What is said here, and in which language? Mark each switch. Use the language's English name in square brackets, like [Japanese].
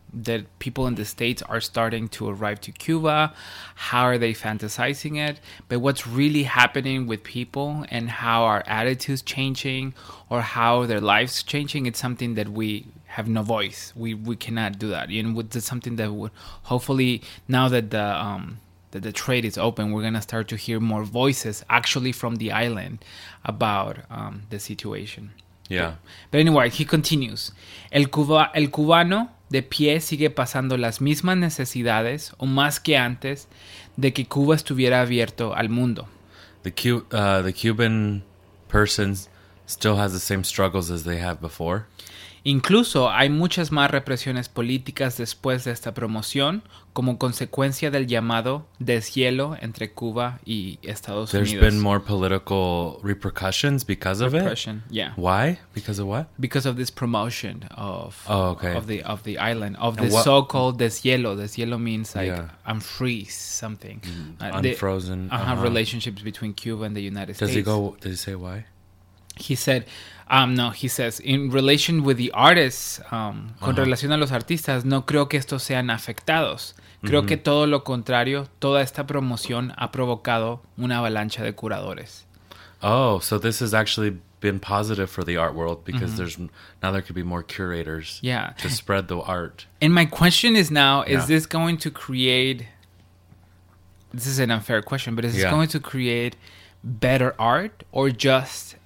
[English] that people in the States are starting to arrive to Cuba, how are they fantasizing it, but what's really happening with people and how our attitudes changing or how their lives changing, it's something that we have no voice. We cannot do that. You know, it's something that would hopefully, now that the trade is open, we're going to start to hear more voices actually from the island about the situation. Yeah. But anyway, he continues. [Spanish] El cubano... de pie sigue pasando las mismas necesidades, o más que antes, de que Cuba estuviera abierto al mundo. [English] The Cuban person still has the same struggles as they have before. [Spanish] Incluso hay muchas más represiones políticas después de esta promoción, como consecuencia del llamado deshielo entre Cuba y Estados [English] There's [Spanish] Unidos. [English] There's been more political repercussions because of Repression, it? Yeah. Why? Because of what? Because of this promotion of, oh, okay. of the island, of the so-called deshielo. Deshielo means like, yeah. Unfreeze something. Unfrozen. The, uh-huh. Relationships between Cuba and the United Does States. Does he say why? He said, he says, in relation with the artists, [Spanish] con relación a los artistas, no creo que estos sean afectados. Creo que todo lo contrario, toda esta promoción ha provocado una avalancha de curadores. [English] Oh, so this has actually been positive for the art world because there's now there could be more curators to spread the art. And my question is now, is this going to create, this is an unfair question, but is this going to create better art or just...